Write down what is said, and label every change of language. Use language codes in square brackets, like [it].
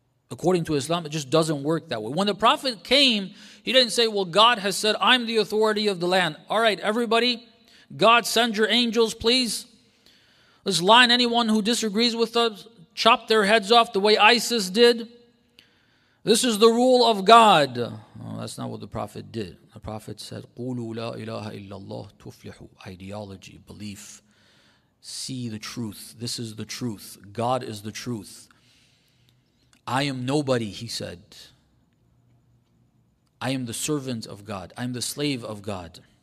[en] According to Islam, it just doesn't work that way. When the Prophet came, he didn't say, well, God has said, I'm the authority of the land. All right, everybody, God, send your angels, please. Let's line anyone who disagrees with us, chop their heads off the way ISIS did. This is the rule of God. Well, that's not what the Prophet did. The Prophet said, [ar] قُولُوا لَا إِلَهَ إِلَّا اللَّهُ تُفْلِحُ. [en] Ideology, belief, see the truth. This is the truth. God is the truth. I am nobody, he said. I am the servant of God. I am the slave of God.